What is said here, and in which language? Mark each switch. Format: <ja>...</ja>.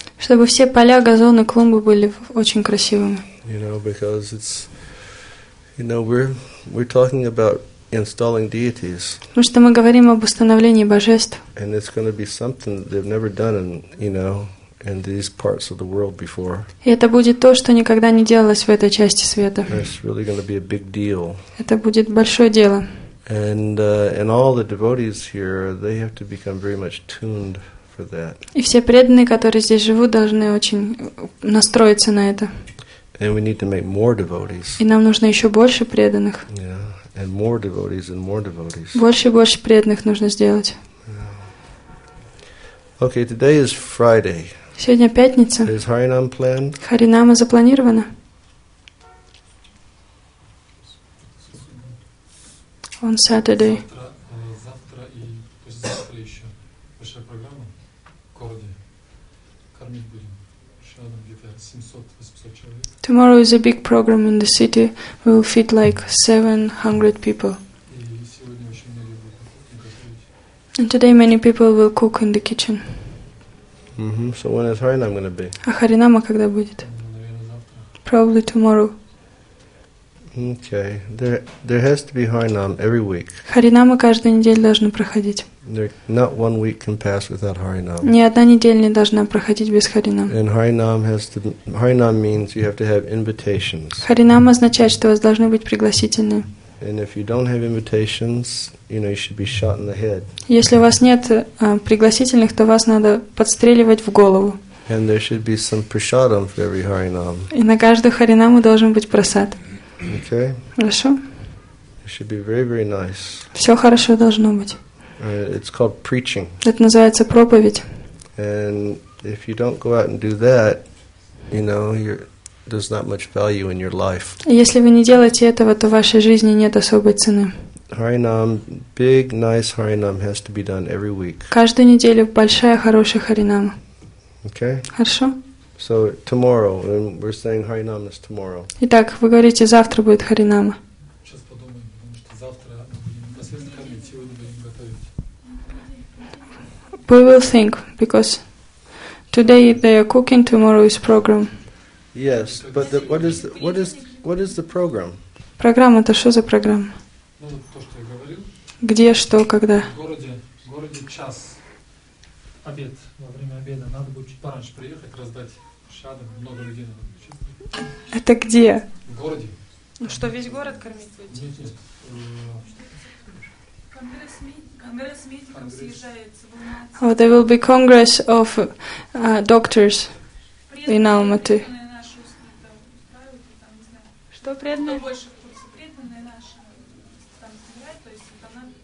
<ru>Чтобы все поля, газоны, клумбы были очень красивыми.</ru> <en>You know, because it's, you know, we're talking about installing deities.</en> <ru>Потому что мы говорим об установлении божеств.</ru> <en>And it's going to be something that they've never done in, you know, in these parts of the world before.</en> <ru>И это будет то, что никогда не делалось в этой части света.</ru> <en>And it's really going to be a big deal.</en> <ru>Это будет большое дело.</ru> <en>And all the devotees here, they have to become very much tuned for that.</en> <ru>И все преданные, которые здесь живут, должны очень настроиться на это.</ru> <en>And we need to make more devotees.</en> <ru>И нам нужно еще больше преданных.</ru> <en>Yeah, and more devotees and more devotees.</en> <ru>Больше и больше преданных нужно сделать.</ru> <en>Yeah. Okay, today is Friday.</en> <ru>Сегодня пятница.</ru> <en>Is Харинам planned?</en> <ru>Харинама запланирована.</ru> <en>On Saturday.</en> <ru>Завтра и послезавтра еще большая программа в городе. Кормить будем. Еще надо где-то 700-800 человек.</ru> <en>Tomorrow is a big program in the city. We will feed like 700 people.</en> <ru>И сегодня очень многие будут на кухне готовить.</ru> <en>And today many people will cook in the kitchen. Mm-hmm. So when is Харинам going to be?</en> <ru>А Харинама когда будет? Наверное, завтра.</ru> <en>Probably tomorrow. Okay, there has to be Харинам every week.</en> <ru>Харинама каждую неделю должна проходить.</ru> <en>There, not one week can pass without Харинам.</en> <ru>Ни одна неделя не должна проходить без Харинама.</ru> <en>And Харинам has to. Харинам means you have to have invitations.</en> <ru>Харинам означает, что у вас должны быть пригласительные.</ru> <en>And if you don't have invitations, you know you should be shot in the head.</en> <ru>Если у вас нет пригласительных, то вас надо подстреливать в голову.</ru> <en>And there should be some prasadam for every Харинам.</en> <ru>И на каждую Харинаму должен быть прасад.</ru> <en>Okay.</en> <ru>Хорошо.</ru> <en>It should be very, very nice.</en> <ru>Все хорошо должно быть.</ru> <en>It's called preaching.</en> <ru>Это называется проповедь.</ru> <en>And if you don't go out and do that, you know, there's not much value in your life.</en> <ru>Если вы не делаете этого, то в вашей жизни нет особой цены.</ru> <en>Харинам, big, nice Харинам has to be done every week.</en> <ru>Каждую неделю большая, хорошая Харинама.</ru> <en>Okay.</en> <ru>Хорошо.</ru> <en>So tomorrow, and we're saying Харинам is tomorrow.</en> <ru>Итак, вы говорите, завтра будет Харинама. Сейчас подумаем, потому что завтра будем последний кормить, сегодня будем готовить.</ru> <en>We will think, because today they are cooking, tomorrow is program. Yes, but what is the program?</en> <ru>Программа, это что за программа? Ну, то, что я говорил. Где, что, когда? В городе час. Обед. Во время обеда надо будет чуть пораньше приехать, раздать шадам, много людей надо учить. Это где? В городе. Ну что, весь город кормить будет? Конгресс медиков съезжается в Алматы.</ru> <en>Oh, there will be congress of doctors in Almaty.</en> <ru>Что преданное? Кто больше в курсе? Преданное наше там собирает, то есть она...</ru>